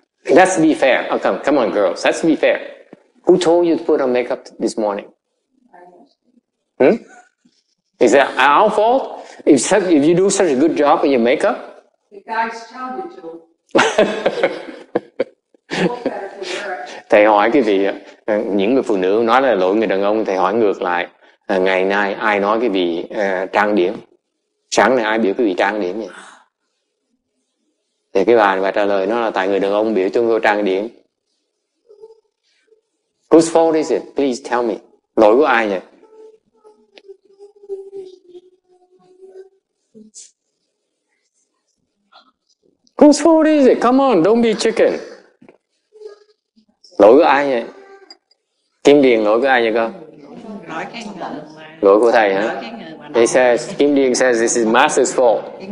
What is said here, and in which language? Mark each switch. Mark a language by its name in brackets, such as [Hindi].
[English] Let's be fair. Oh, come on, girls. Let's be fair. Who told you to put on makeup this morning? Is that our fault? If you do such a good job in your makeup? The guys told you to. [Vietnamese] Thầy hỏi cái gì, những người phụ nữ nói là lỗi người đàn ông, thầy hỏi ngược lại, ngày nay ai nói cái gì trang điểm? Sáng nay ai biểu cái gì trang điểm vậy? Thì cái bà trả lời nó là tại người đàn ông biểu chúng tôi trang điểm. [English] Whose fault is it? Please tell me. [Vietnamese] Lỗi của ai vậy? [English] Whose fault is it? Come on, don't be chicken. [Vietnamese] Lỗi của ai vậy? Kim Điền lỗi của ai vậy cơ? Lỗi của thầy hả? [English] He says, Kim Điền says this is master's fault.